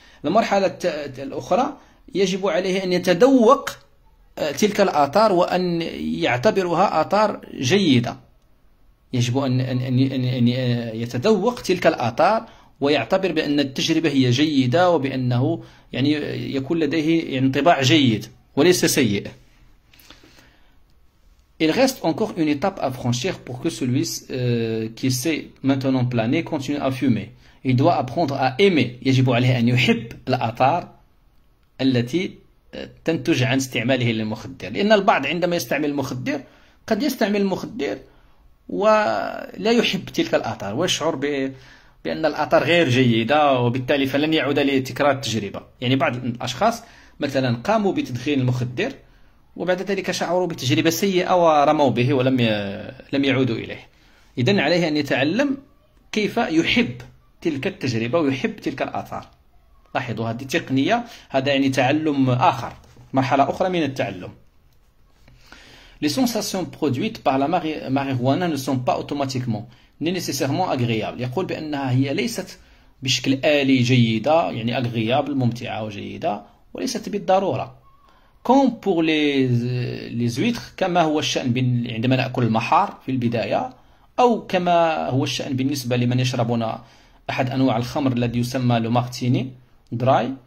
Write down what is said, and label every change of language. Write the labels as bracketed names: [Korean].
[Arabic] المرحلة الأخرى يجب عليه أن يتذوق تلك الآثار وأن يعتبرها آثار جيدة. يجب أن يتذوق تلك الآثار ويعتبر بأن التجربة هي جيدة وبأنه يعني يكون لديه انطباع جيد وليس سيء. [French] Il reste encore une étape à franchir pour que celui qui sait maintenant planer continue à fumer. Il doit apprendre à aimer. [Arabic] يجب عليه أن يحب الآثار التي تنتج عن استعماله للمخدر، لأن البعض عندما يستعمل المخدر قد يستعمل المخدر ولا يحب تلك الآثار ويشعر بأن الآثار غير جيدة وبالتالي فلن يعود لتكرار التجربة. يعني بعض الأشخاص مثلا قاموا بتدخين المخدر وبعد ذلك شعروا بتجربة سيئة ورموا به ولم يعودوا إليه. إذن عليه أن يتعلم كيف يحب تلك التجربة ويحب تلك الآثار. لاحظوا هذه تقنية، هذا يعني تعلم آخر، مرحلة أخرى من التعلم. [French] Les sensations produites par la marijuana ne sont pas automatiquement ni nécessairement agréables. [Arabic] يقول بأنها هي ليست بشكل آلي جيدة يعني أغريابل ممتعة وجيدة وليست بالضرورة. [French] Comme pour les huîtres [Arabic] كما هو الشأن عندما نأكل المحار في البداية أو كما هو الشأن بالنسبة لمن يشربون أحد أنواع الخمر الذي يسمى لومارتيني dry.